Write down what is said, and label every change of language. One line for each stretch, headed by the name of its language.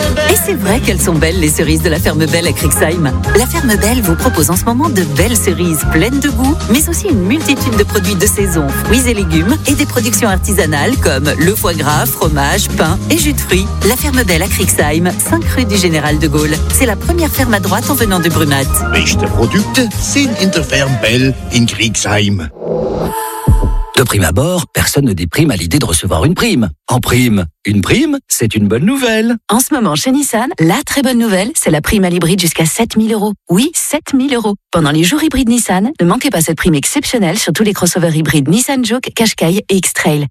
French: Et c'est vrai qu'elles sont belles, les cerises de la Ferme Belle à Crixheim. La Ferme Belle vous propose en ce moment de belles cerises pleines de goût, mais aussi une multitude de produits de saison, fruits et légumes, et des productions artisanales comme le foie gras, fromage, pain et jus de fruits. La Ferme Belle à Crixheim, 5 rue du Général de Gaulle. C'est la première ferme à droite en venant de Brumath.
German: Beste Produkte sind in der Ferme Belle in Crixheim.
French: De prime abord, personne ne déprime à l'idée de recevoir une prime. En prime, une prime, c'est une bonne nouvelle. En ce moment, chez Nissan, la très bonne nouvelle, c'est la prime à l'hybride jusqu'à 7000 euros. Oui, 7000 euros. Pendant les jours hybrides Nissan, ne manquez pas cette prime exceptionnelle sur tous les crossovers hybrides Nissan Juke, Qashqai et X-Trail.